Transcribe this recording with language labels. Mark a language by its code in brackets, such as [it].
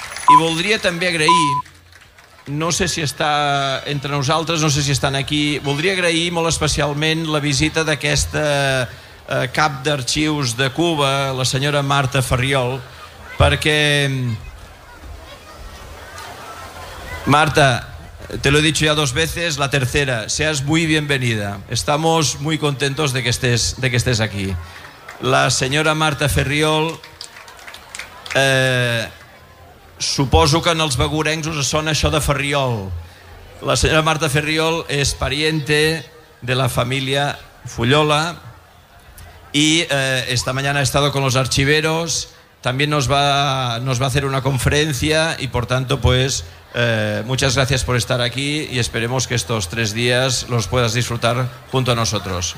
[ca] I voldria també agrair, no sé si està entre nosaltres, no sé si estan aquí, voldria agrair molt especialment la visita d'aquesta cap d'arxius de Cuba, la senyora Marta Ferriol, perquè... [es] Marta, te lo he dicho ya dos veces, la tercera, seas muy bienvenida. Estamos muy contentos de que estés aquí. [ca] La senyora Marta Ferriol, suposo que en els begurencs us sona això de Ferriol. [es] La senyora Marta Ferriol és pariente de la família Fullola i esta mañana ha estado con los archiveros, también nos va a hacer una conferencia y por tanto pues... muchas gracias por estar aquí y esperemos que estos tres días los puedas disfrutar junto a nosotros.